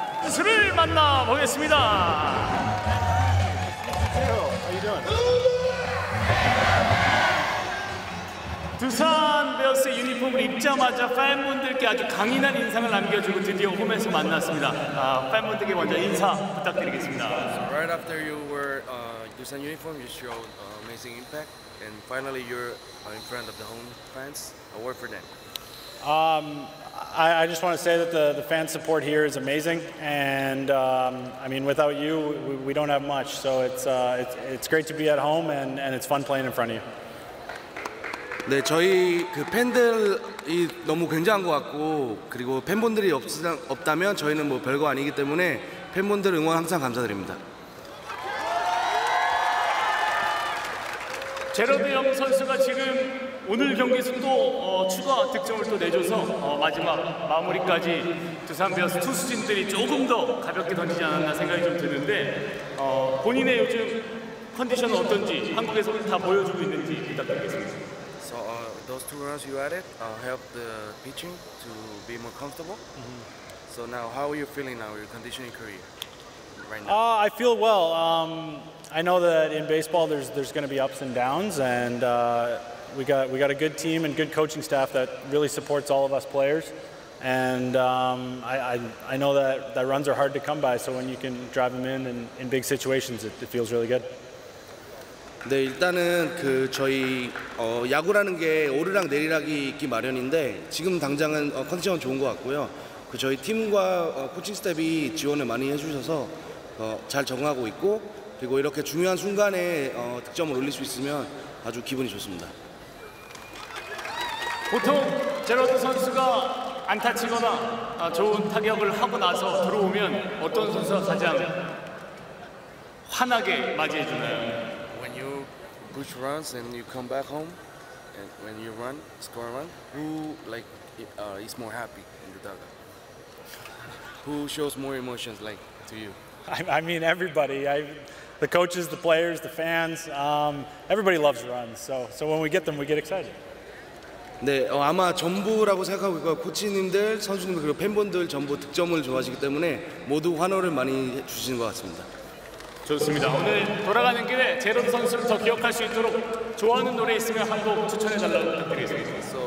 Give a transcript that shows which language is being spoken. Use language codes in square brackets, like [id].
[ko] 수를 만나보겠습니다. 두산 베어스의 유니폼을 입자마자 팬분들께 아주 강인한 인상을 남겨주고 드디어 홈에서 만났습니다. 팬분들께 먼저 인사 부탁드리겠습니다. [en] So right after you were Dusan uniform, you showed amazing impact. And finally, you're in front of the home fans. A word for them. I just want to say that the fan support here is amazing. And I mean, without you, we don't have much. So it's great to be at home, and it's fun playing in front of you. [ko] 네, 저희 그 팬들이 너무 굉장한 것 같고, 그리고 팬분들이 없다면 저희는 뭐 별거 아니기 때문에 팬분들 응원 항상 감사드립니다. 제로드 형 선수가 지금 오늘 경기에서도 추가 득점을 또 내줘서 마지막 마무리까지 두산 베어스 투수진들이 조금 더 가볍게 던지지 않았나 생각이 좀 드는데 본인의 요즘 컨디션은 어떤지 한국에서 다 보여주고 있는지 부탁드리겠습니다. [en] So those two runs you added helped the pitching to be more comfortable. Mm-hmm. So now, how are you feeling now, your conditioning career right now? I feel well. I know that in baseball there's going to be ups and downs, and we got a good team and good coaching staff that really supports all of us players. And I know that runs are hard to come by, so when you can drive them in big situations, it feels really good. [ko] 네, 일단은 그 저희 야구라는 게 오르락 내리락이 있기 마련인데 지금 당장은 컨디션 좋은 것 같고요. 그 저희 팀과 코칭 스텝이 지원을 많이 해주셔서 잘 적응하고 있고, 그리고 이렇게 중요한 순간에 득점을 올릴 수 있으면 아주 기분이 좋습니다. 보통 제라드 선수가 안타 치거나 좋은 타격을 하고 나서 들어오면 어떤 선수가 가장 환하게 맞이해 주나요? [en] When you push runs and you come back home and when you run score run, who like is more happy in the dugout? Who shows more emotions like to you? I mean everybody. The coaches, the players, the fans, everybody loves runs. So when we get them, we get excited. [ko] 네, 아마 전부라고 생각하고 있고, 코치님들, 선수님들, 그리고 팬분들 전부 득점을 좋아하시기 때문에 모두 환호를 많이 주시는 것 같습니다. 좋습니다. 오늘 돌아가는 길에 제로드 선수를 더 기억할 수 있도록 좋아하는 노래 있으면 한 곡 추천해달라고 부탁드리겠습니다.